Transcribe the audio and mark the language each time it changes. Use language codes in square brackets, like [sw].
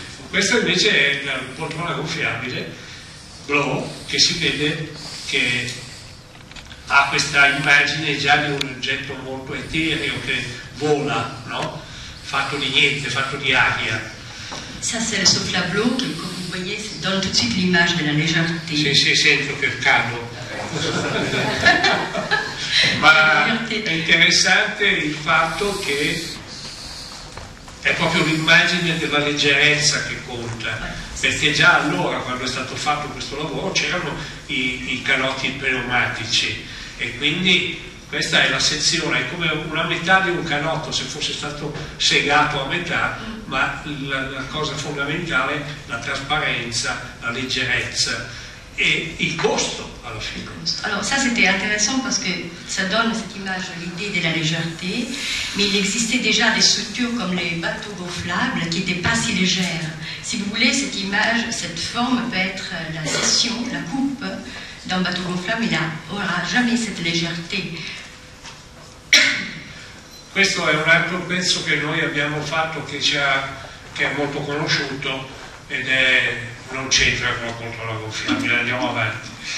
[it] Questa invece è la poltrona gonfiabile, blu, che si vede che ha questa immagine già di un oggetto molto etereo che vola, no? Fatto di niente, fatto di aria. [fr] Ça c'est le souffle à bleu que comme vous voyez, ça donne tout de suite l'image de la légèreté. [it] Sì, sì, sento che cado. Ma è interessante il fatto che è proprio l'immagine della leggerezza che conta, perché già allora, quando è stato fatto questo lavoro, c'erano i canotti pneumatici, e quindi questa è la sezione, è come una metà di un canotto, se fosse stato segato a metà, ma la cosa fondamentale, la trasparenza, la leggerezza e il costo alla fine. [fr] Allora, ça c'était intéressant parce que ça donne cette image, l'idée de la légèreté, mais il existait déjà des structures comme les bateaux gonflables qui n'étaient pas si légères. Si vous voulez, cette image, cette forme peut être la scission, la coupe d'un bateau gonflable, mais il n'aura jamais cette légèreté. [it] Questo è un altro pezzo che noi abbiamo fatto, che è molto conosciuto, ed è, non c'entra con la controlla gonflabile, andiamo avanti.